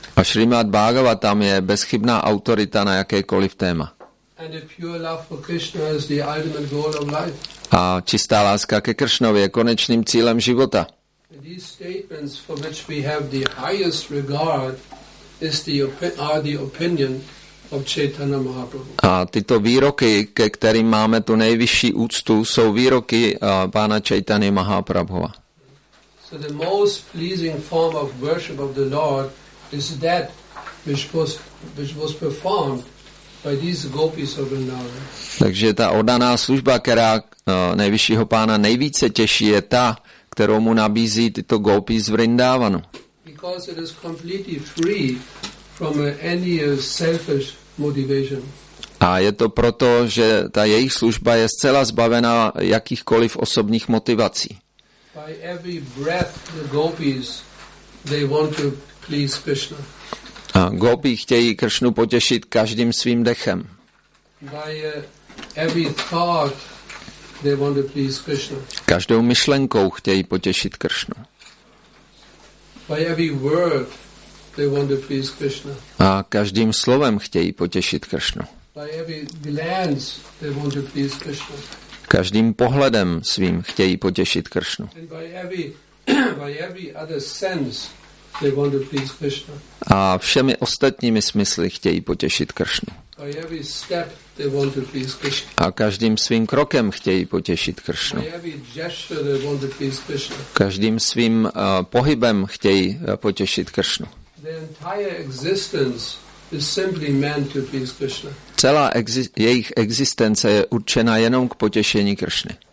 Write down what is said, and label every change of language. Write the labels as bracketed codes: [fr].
[cs] A Srimad Bhagavatam je bezchybná autorita na jakékoliv téma. [en] And the pure love for Krishna is the ultimate goal of life. [cs] A čistá láska ke Kršnovi je konečným cílem života. [en] These statements for which we have the highest regard is the opinion of Chaitanya Mahaprabhu. [cs] A tyto výroky, ke kterým máme tu nejvyšší úctu, jsou výroky pána Chaitany Mahaprabhuva. [en] So the most pleasing form of worship of the Lord is that which was performed by these gopis of Vrindavan. [cs] Takže ta oddaná služba, která nejvyššího pána nejvíce těší, je ta, kterou mu nabízí tyto gopis z Vrindavanu. [en] Because it is completely free from any selfish motivation. [cs] A je to proto, že ta jejich služba je zcela zbavená jakýchkoliv osobních motivací. [en] By every breath the gopis, they want to please Krishna. [cs] A gopi chtějí Kršnu potěšit každým svým dechem. [en] By every thought, they want to please Krishna. [cs] Každou myšlenkou chtějí potěšit Kršnu. [en] By every word, they want to please Krishna. [cs] A každým slovem chtějí potěšit Kršnu. [en] By every glance, they want to please Krishna. [cs] Každým pohledem svým chtějí potěšit Kršnu. [en] And by every other sense, they want to please Krishna. [cs] A všemi ostatními smysly chtějí potěšit Kršnu. [en] By every step, they want to please Krishna. [cs] A každým svým krokem chtějí potěšit Kršnu. [en] By every gesture, they want to please Krishna. [cs] Každým svým pohybem chtějí potěšit Kršnu. [en] The entire existence is simply meant to please Krishna. [cs] Celá jejich existence je určena jenom k potěšení Kršny.